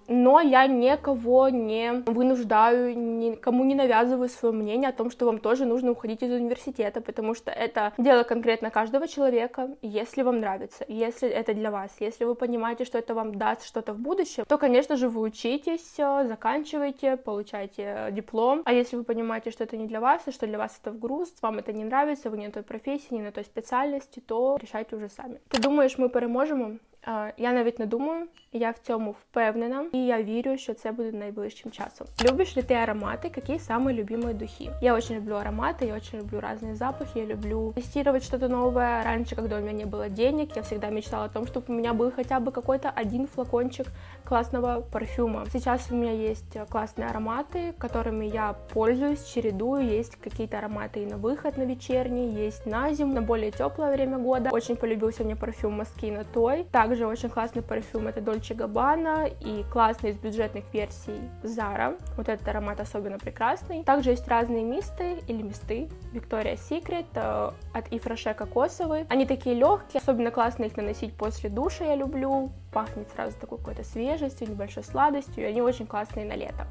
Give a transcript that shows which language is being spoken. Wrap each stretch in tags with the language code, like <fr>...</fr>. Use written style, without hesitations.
<ru>но я никого не вынуждаю, никому не навязываю свое мнение о том, что вам тоже нужно уходить из университета, потому что это дело конкретно каждого человека, если вам нравится, если это для вас, если вы понимаете, что это вам даст что-то в будущем, то, конечно же, вы учитесь, заканчивайте, получайте диплом, а если вы понимаете, что это не для вас, и что для вас это в груз, вам это не нравится, вы не на той профессии, не на той специальности, то решайте уже сами. Ты думаешь, мы</ru> <uk>переможем? Я навіть не думаю, я в цьому впевнена, і я вірю, що це буде найближчим часом. Любиш ли ти аромати? Які самі любимі духи? Я дуже люблю аромати, я дуже люблю різні запахи, я люблю тестувати щось нове. Раніше, коли у мене не було</uk> <ru>денег,</ru> <uk>я завжди</uk> <ru>мечтала о том,</ru> <uk>щоб у мене був хоча б</uk> <ru>какой-то</ru> <uk>один флакончик класного парфюма. Зараз у мене є класні аромати,</uk> <ru>которыми я пользуюсь, чередую.</ru> <uk>Є якісь аромати і на вихід, на вечірній, є на зиму, на більш тепле</uk> <ru>время года.</ru> <uk>Дуже полюбився мені парфюм</uk> <ru>Moschino Toy. Также очень классный парфюм, это Dolce Gabbana, и классный из бюджетных версий Zara, вот этот аромат особенно прекрасный. Также есть разные мисты, или мисты, Victoria's Secret от Yves Rocher кокосовый, они такие легкие, особенно классно их наносить после душа, я люблю, пахнет сразу такой какой-то свежестью, небольшой сладостью, и они очень классные на лето.</ru>